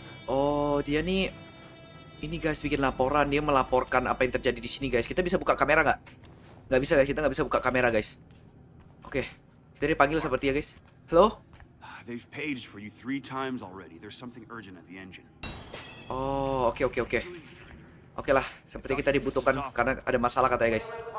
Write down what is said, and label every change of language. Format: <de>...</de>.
<id>Oh, dia nih ini guys bikin laporan, dia melaporkan apa yang terjadi di sini guys. Kita bisa buka kamera nggak? Nggak bisa guys, kita nggak bisa buka kamera guys. Oke, dari panggil seperti ya guys.</id> <en>Hello? They've paged for you 3 times already. There's something urgent at the engine.</en> <id>Oh, oke. Oke lah, seperti kita dibutuhkan karena ada masalah katanya guys.</id>